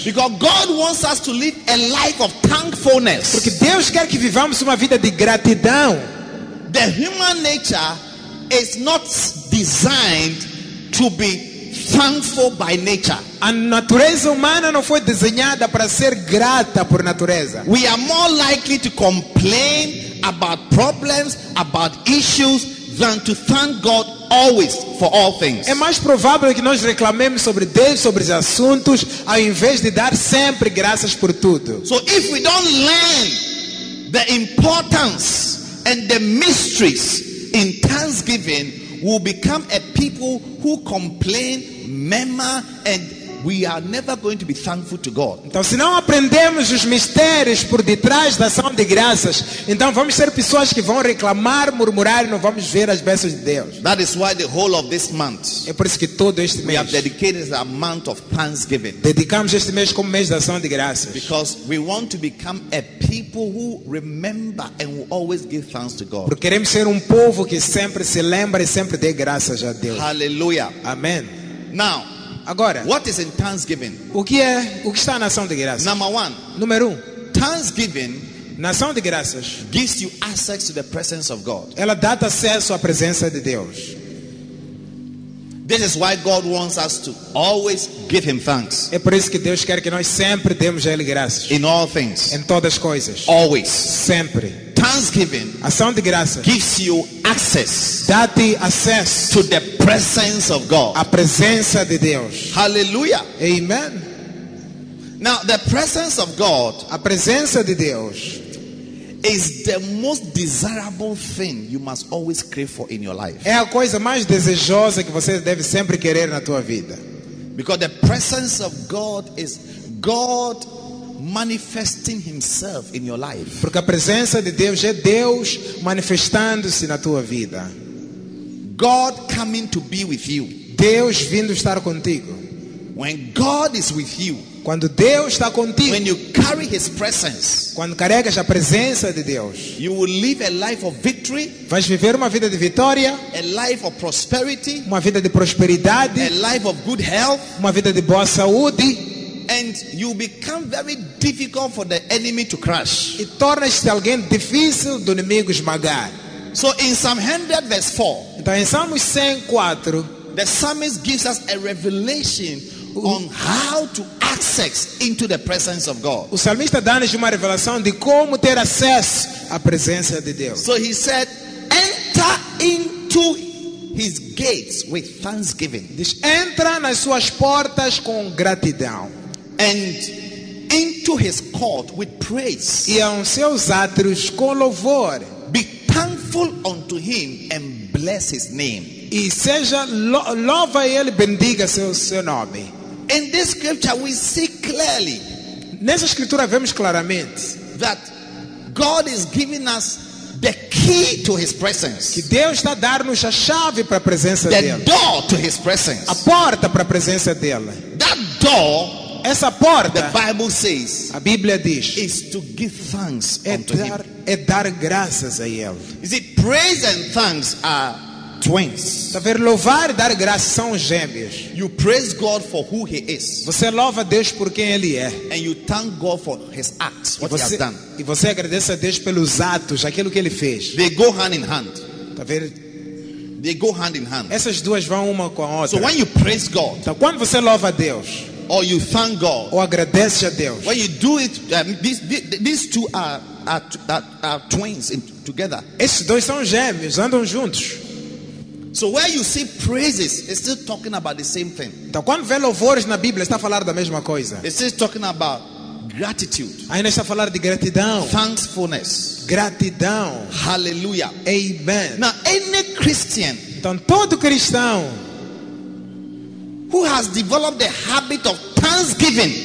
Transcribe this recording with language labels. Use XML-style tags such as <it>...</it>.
<en>Because God wants us to live a life of thankfulness.</en> <pt>Porque Deus quer que vivamos uma vida de gratidão.</pt> <en>The human nature is not designed to be thankful by nature.</en> <pt>A natureza humana não foi desenhada para ser grata por natureza.</pt> <en>We are more likely to complain about problems, about issues, than to thank God always for all things.</en> <pt>É mais provável que nós reclamemos sobre Deus, sobre os assuntos, ao invés de dar sempre graças por tudo.</pt> <en>So if we don't learn the importance and the mysteries in thanksgiving, will become a people who complain, murmur, and we are never going to be thankful to God.</en> <pt>Então, se não aprendemos os mistérios por detrás da ação de graças, então vamos ser pessoas que vão reclamar, murmurar e não vamos ver as bênçãos de Deus.</pt> <en>That is why the whole of this month,</en> <pt>é por isso que todo este mês,</pt> <en>we have dedicated a month of thanksgiving.</en> <pt>Dedicamos este mês como mês da ação de graças.</pt> <en>Because we want to become a people who remember and will always give thanks to God.</en> <pt>Porque queremos ser povo que sempre se lembra e sempre dê graças a Deus.</pt> <en>Hallelujah.</en> <pt>Amen.</pt> <en>Now,</en> <pt>agora,</pt> <en>what is in thanksgiving?</en> <pt>O que está na ação de graças?</pt> <en>Number one,</en> <pt>número</pt> <en>thanksgiving,</en> <pt>na ação de graças,</pt> <en>gives you access to the presence of God.</en> <pt>Ela dá acesso à presença de Deus.</pt> <en>This is why God wants us to always give him thanks.</en> <pt>É por isso que Deus quer que nós sempre demos a ele graças.</pt> <en>In all things.</en> <pt>Em todas as coisas.</pt> <en>Always.</en> <pt>Sempre.</pt> <en>Thanksgiving,</en> <pt>ação de graças,</pt> <en>gives you access,</en> <pt>dá-te acesso,</pt> <en>to the presence of God,</en> <pt>a presença de Deus.</pt> <en>Hallelujah.</en> <pt>Amen.</pt> <en>Now the presence of God,</en> <pt>a presença de Deus,</pt> <en>is the most desirable thing you must always crave for in your life.</en> <pt>É a coisa mais desejosa que você deve sempre querer na tua vida.</pt> <en>Because the presence of God is God manifesting himself in your life.</en> <pt>Porque a presença de Deus é Deus manifestando-se na tua vida.</pt> <en>God coming to be with you.</en> <pt>Deus vindo estar contigo.</pt> <en>When God is with you,</en> <pt>quando Deus está contigo,</pt> <en>when you carry his presence,</en> <pt>quando carregas a presença de Deus,</pt> <en>you will live a life of victory,</en> <pt>vais viver uma vida de vitória,</pt> <en>a life of prosperity,</en> <pt>uma vida de prosperidade,</pt> <en>a life of good health,</en> <pt>uma vida de boa saúde,</pt> <en>and you become very difficult for the enemy to crush.</en> <pt>E tornas-te alguém difícil do inimigo esmagar.</pt> <en>So in Psalm 100 verse 4,</en> <pt>então em Salmos 104,</pt> <en>the psalmist gives us a revelation on how to access into the presence of God.</en> <pt>O salmista dá-nos uma revelação de como ter acesso à presença de Deus.</pt> <en>So he said, enter into his gates with thanksgiving.</en> <pt>Diz, entra nas suas portas com gratidão.</pt> <en>And into his court with praise.</en> <pt>E aos seus átrios com louvor.</pt> <en>Be thankful unto him and bless his name.</en> <pt>E seja, louva ele, bendiga seu nome.</pt> <en>In this scripture we see clearly,</en> <pt>nessa escritura vemos claramente,</pt> <en>that God is giving us the key to his presence.</en> <pt>Que Deus está dando-nos a chave para a presença dele.</pt> <en>The door to his presence.</en> <pt>A porta para a presença dele.</pt> <en>That door,</en> <pt>essa porta,</pt> <en>the Bible says,</en> <pt>a Bíblia diz,</pt> <en>is to give thanks unto him.</en> <pt>É dar graças a ele.</pt> <en>Is it praise and thanks are twins.</en> <pt>Saber louvar e dar graças são gêmeos.</pt> <en>You praise God for who he is.</en> <pt>Você louva Deus por quem ele é.</pt> <en>And you thank God for his acts, what</en> <pt>você,</pt> <en>he has done.</en> <pt>E você agradece a Deus pelos atos, aquilo que ele fez.</pt> <en>They go hand in hand.</en> <pt>Saber,</pt> <en>they go hand in hand.</en> <pt>Essas duas vão uma com a outra.</pt> <en>So when you praise God,</en> <pt>então quando você louva Deus,</pt> <en>or you thank God,</en> <pt>ou agradece a Deus,</pt> <en>when you do it, these two are twins together.</en> <pt>Esses dois são gêmeos, andam juntos.</pt> <en>So where you see praises, it's still talking about the same thing.</en> <pt>Então quando vê louvores na Bíblia, está a falar da mesma coisa.</pt> <en>It's still talking about gratitude.</en> <pt>Ainda está a falar de gratidão.</pt> <en>Thankfulness.</en> <pt>Gratidão.</pt> <en>Hallelujah.</en> <pt>Amen.</pt> <en>Now any Christian,</en> <pt>então todo cristão,</pt> <en>who has developed the habit of thanksgiving,</en>